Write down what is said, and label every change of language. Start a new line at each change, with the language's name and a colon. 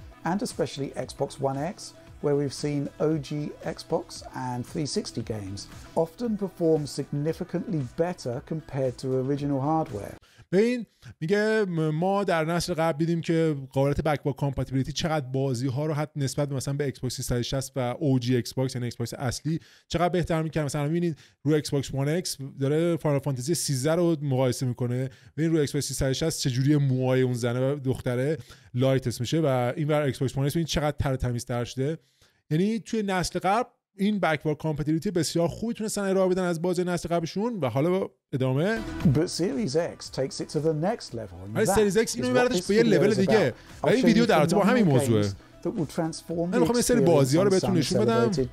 English: And especially Xbox One X, where we've seen OG Xbox and 360 games often perform significantly better compared to original hardware.
Persian: ببین میگه ما در نسل قبل دیدیم که قابلیت بکوارد کامپتیبیلیتی چقدر بازی ها رو حتی نسبت مثلا به ایکس باکس 360 و او جی ایکس باکس، یعنی ایکس باکس اصلی، چقدر بهتر میکنه. مثلا ببینید روی ایکس باکس 1 ایکس داره فاینال فانتزی 13 رو مقایسه میکنه، ببین روی ایکس باکس 360 چه جوری موهای اون زنه و دختره لایت اسمشه، و اینور ایکس باکس 1 ببین چقدر تر تمیز تر شده. یعنی توی نسل قبل این بکوارد کامپتیبیلیتی بسیار خوبی تونستن ارائه بدن از بازی نسل قبلشون و حالا ادامه.
English: But Series X takes it to the next level.
Persian: ولی سریز اکس اینو میبردش به یه لول دیگه. و این ویدیو در ارتباط با همین موضوعه. میخوام یه سری بازی‌ها رو بهتون نشون بدم.